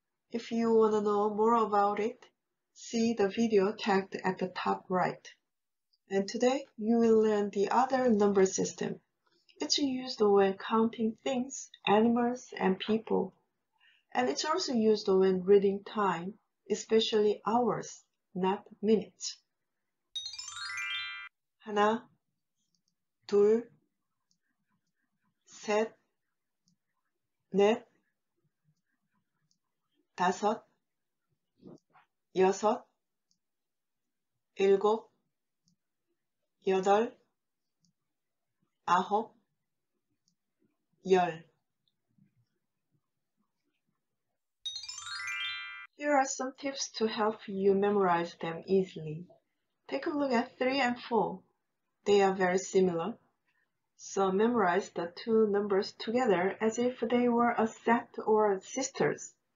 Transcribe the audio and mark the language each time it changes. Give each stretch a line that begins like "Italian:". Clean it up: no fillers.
English: If you want to know more about it, see the video tagged at the top right. And today, you will learn the other number system. It's used when counting things, animals, and people. And it's also used when reading time, especially hours, not minutes.
Korean: 하나, 둘, 셋, 넷, 다섯, 여섯, 일곱, 여덟, 아홉, 열.
English: Here are some tips to help you memorize them easily. Take a look at 3 and 4. They are very similar. So memorize the two numbers together as if they were a set or sisters.